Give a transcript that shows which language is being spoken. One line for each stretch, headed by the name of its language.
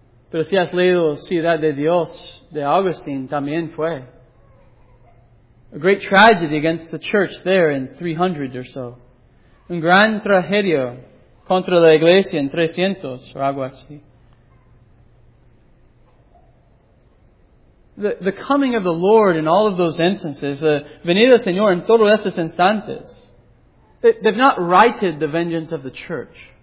Spanish: Pero si has leído Ciudad de Dios de Augustine, también fue.
English: A great tragedy against the church there in 300 or so.
Spanish: Un gran tragedio contra la iglesia en 300
English: or
Spanish: algo así.
English: The coming of the Lord in all of those instances, the
Spanish: venida del Señor en todos estos instantes,
English: they've not righted the vengeance of the church.